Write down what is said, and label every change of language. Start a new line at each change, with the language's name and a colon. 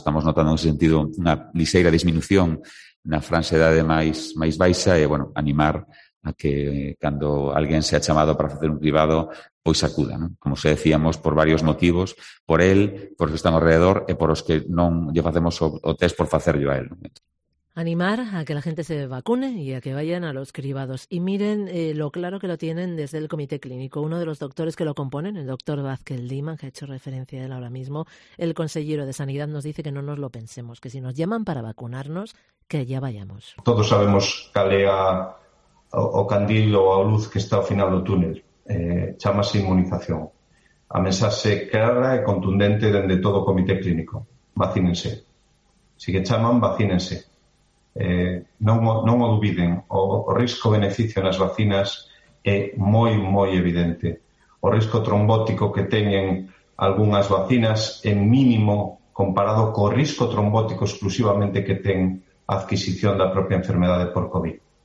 Galician: Estamos notando, en ese sentido, unha liseira disminución na franxa de edade máis baixa e, bueno, animar a que cando alguén sea chamado para facer un cribado, pois acuda, ¿no? Como se decíamos, por varios motivos, por él, por os que están alrededor e por os que non lle facemos o test por facerlo a él.
Spanish: Animar a que la gente se vacune y a que vayan a los cribados. Y miren lo claro que lo tienen desde el comité clínico. Uno de los doctores que lo componen, el doctor Vázquez Liman, que ha hecho referencia a él ahora mismo, el consejero de Sanidad, nos dice que no nos lo pensemos, que si nos llaman para vacunarnos, que ya vayamos.
Galician: Todos sabemos calea o candil ou a luz que está ao final do túnel, chamase inmunización. A mensaxe clara e contundente dende todo o comité clínico: vacínense. Si que chaman, vacínense. Non o duviden, o risco beneficio nas vacinas é moi, moi evidente. O risco trombótico que teñen algunhas vacinas é mínimo comparado co risco trombótico exclusivamente que ten a adquisición da propia enfermedade por COVID.